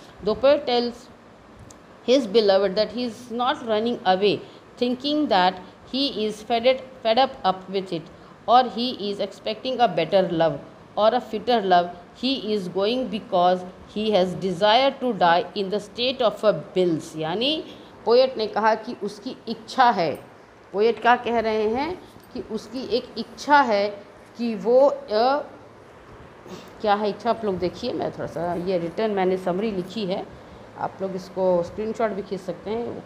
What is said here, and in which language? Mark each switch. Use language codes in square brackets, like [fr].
[en] The poet tells his beloved that he is not running away thinking that he is fed up with it और he is expecting a better love और a fitter love. He is going because he has desire to die in the state of a bills. [hi] यानि poet ने कहा कि उसकी इच्छा है, poet क्या कह रहे हैं कि उसकी एक इच्छा है कि वो क्या है इच्छा, आप लोग देखिए, मैं थोड़ा सा ये रिटर्न मैंने समरी लिखी है, आप लोग इसको स्क्रीनशॉट भी खींच सकते हैं।